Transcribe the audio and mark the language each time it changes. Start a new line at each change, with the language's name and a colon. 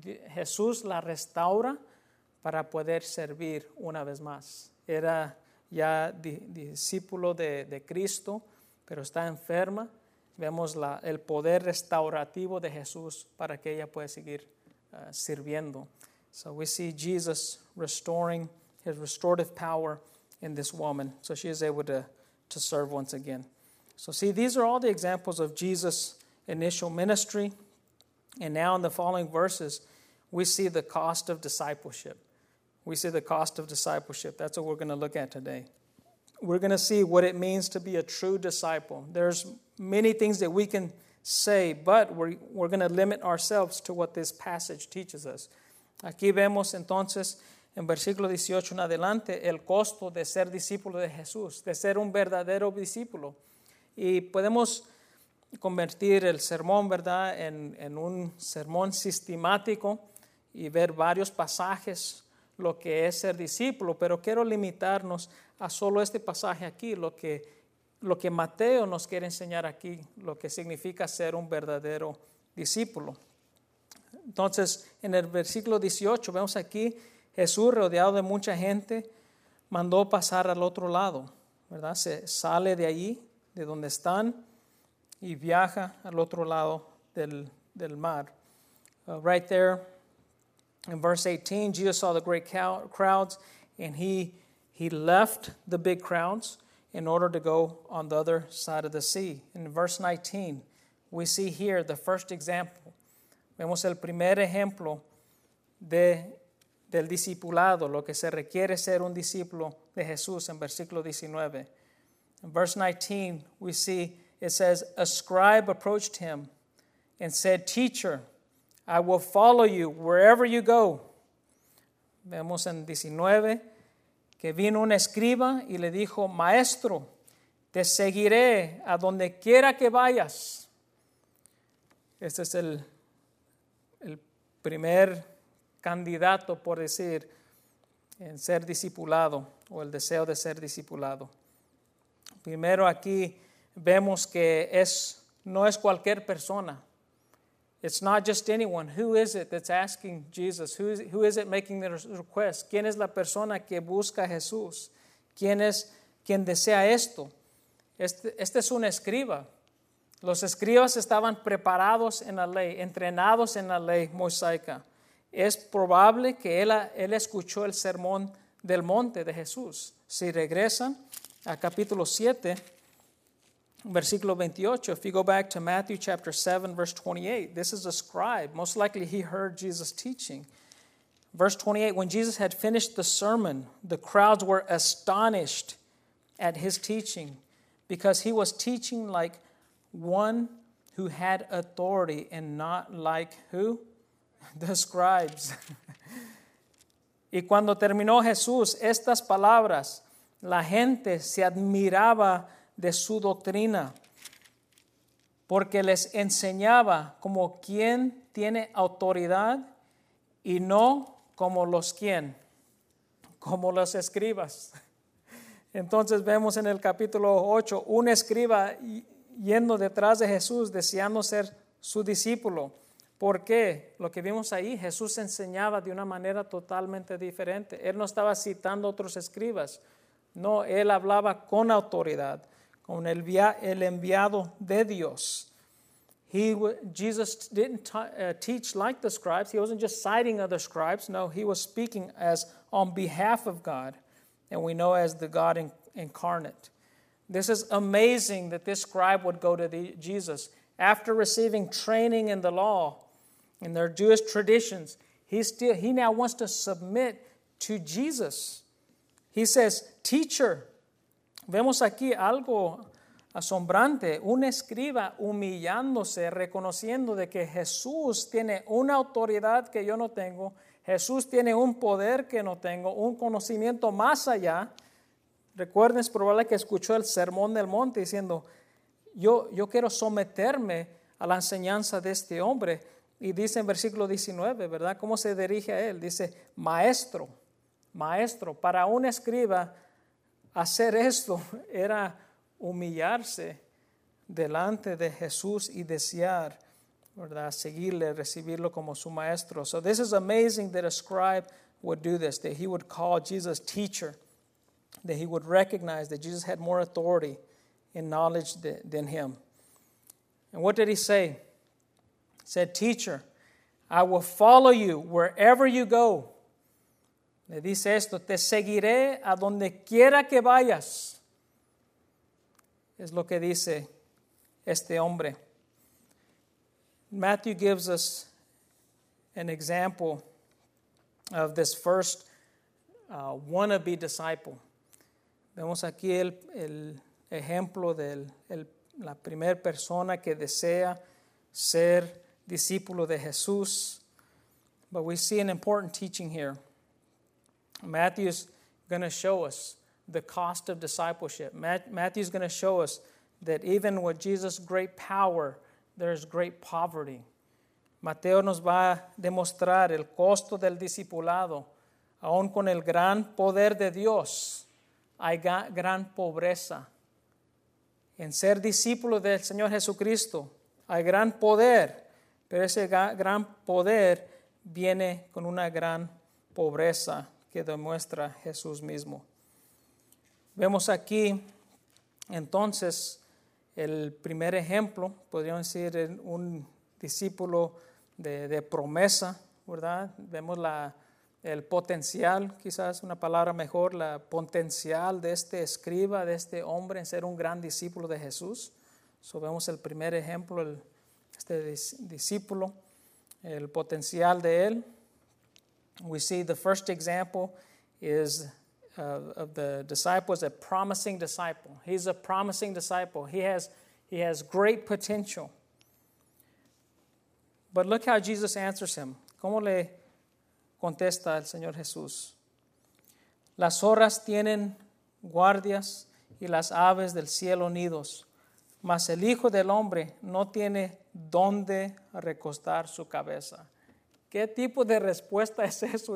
Spanish: Jesús la restaura para poder servir una vez más. Era ya discípulo de Cristo, pero está enferma. Vemos el poder restaurativo de Jesús para que ella pueda seguir sirviendo.
English: So we see Jesus restoring his restorative power in this woman. So she is able to serve once again. So see, these are all the examples of Jesus' initial ministry. And now in the following verses, we see the cost of discipleship. We see the cost of discipleship. That's what we're going to look at today. We're going to see what it means to be a true disciple. There's many things that we can say, but we're going to limit ourselves to what this passage teaches us.
Spanish: Aquí vemos entonces, en versículo 18 en adelante, el costo de ser discípulo de Jesús, de ser un verdadero discípulo. Y podemos convertir el sermón, ¿verdad?, en un sermón sistemático y ver varios pasajes lo que es ser discípulo, pero quiero limitarnos a solo este pasaje aquí, lo que Mateo nos quiere enseñar aquí, lo que significa ser un verdadero discípulo. Entonces, en el versículo 18, vemos aquí Jesús, rodeado de mucha gente, mandó pasar al otro lado, ¿verdad? Se sale de ahí, de donde están, y viaja al otro lado del mar.
English: Right there, in verse 18, Jesus saw the great crowds, and he left the big crowds in order to go on the other side of the sea. In verse 19, we see here the first example.
Spanish: Vemos el primer ejemplo del discipulado, lo que se requiere ser un discípulo de Jesús en versículo 19.
English: In verse 19, we see it says, a scribe approached him and said, teacher, I will follow you wherever you go.
Spanish: Vemos en 19 que vino un escriba y le dijo, maestro, te seguiré a donde quiera que vayas. Este es el primer candidato, por decir, en ser discipulado o el deseo de ser discipulado. Primero aquí vemos que no es cualquier persona.
English: It's not just anyone. Who is it that's asking Jesus? Who is it making the request?
Spanish: ¿Quién es la persona que busca a Jesús? ¿Quién desea esto? Este es un escriba. Los escribas estaban preparados en la ley, entrenados en la ley mosaica. Es probable que él escuchó el sermón del monte de Jesús. Si regresan a capítulo 7, versículo 28,
English: if you go back to Matthew chapter 7, verse 28, this is a scribe. Most likely he heard Jesus teaching. Verse 28, when Jesus had finished the sermon, the crowds were astonished at his teaching because he was teaching like one who had authority and not like who? The scribes.
Spanish: Y cuando terminó Jesús estas palabras, la gente se admiraba de su doctrina, porque les enseñaba como quien tiene autoridad y no como los quien, como los escribas. Entonces vemos en el capítulo 8 un escriba yendo detrás de Jesús deseando ser su discípulo. ¿Por qué? Lo que vimos ahí, Jesús enseñaba de una manera totalmente diferente. Él no estaba citando otros escribas, no, él hablaba con autoridad, con el enviado de Dios.
English: Jesus didn't teach like the scribes. He wasn't just citing other scribes. No, he was speaking as on behalf of God, and we know as the God incarnate. This is amazing that this scribe would go to Jesus. After receiving training in the law, in their Jewish traditions, he now wants to submit to Jesus. He says, teacher.
Spanish: Vemos aquí algo asombrante, un escriba humillándose, reconociendo de que Jesús tiene una autoridad que yo no tengo, Jesús tiene un poder que no tengo, un conocimiento más allá. Recuerden, es probable que escuchó el sermón del monte diciendo, yo quiero someterme a la enseñanza de este hombre. Y dice en versículo 19, ¿verdad? ¿Cómo se dirige a él? Dice, maestro, maestro, para un escriba, hacer esto era humillarse delante de Jesús y desear, ¿verdad?, seguirle, recibirlo como su maestro.
English: So this is amazing that a scribe would do this, that he would call Jesus teacher. that he would recognize that Jesus had more authority and knowledge than him. And what did he say? He said, "Teacher, I will follow you wherever you go."
Spanish: Le dice esto, "Te seguiré a donde quiera que vayas." Es lo que dice este hombre.
English: Matthew gives us an example of this first wannabe disciple.
Spanish: Vemos aquí el ejemplo la primer persona que desea ser discípulo de Jesús.
English: But we see an important teaching here. Matthew is going to show us the cost of discipleship. Matthew is going to show us that even with Jesus' great power, there is great poverty.
Spanish: Mateo nos va a demostrar el costo del discipulado. Aún con el gran poder de Dios, hay gran pobreza. En ser discípulo del Señor Jesucristo, hay gran poder, pero ese gran poder viene con una gran pobreza que demuestra Jesús mismo. Vemos aquí, entonces, el primer ejemplo, podríamos decir un discípulo de promesa, ¿verdad? Vemos el potencial, quizás una palabra mejor, la potencial de este escriba, de este hombre en ser un gran discípulo de Jesús. So vemos el primer ejemplo, este discípulo, el potencial de él.
English: We see the first example is of the disciple is a promising disciple. He's a promising disciple. He has great potential. But look how Jesus answers him.
Spanish: ¿Cómo le contesta el Señor Jesús? Las zorras tienen guardias y las aves del cielo nidos, mas el Hijo del Hombre no tiene dónde recostar su cabeza. ¿Qué tipo de respuesta es eso?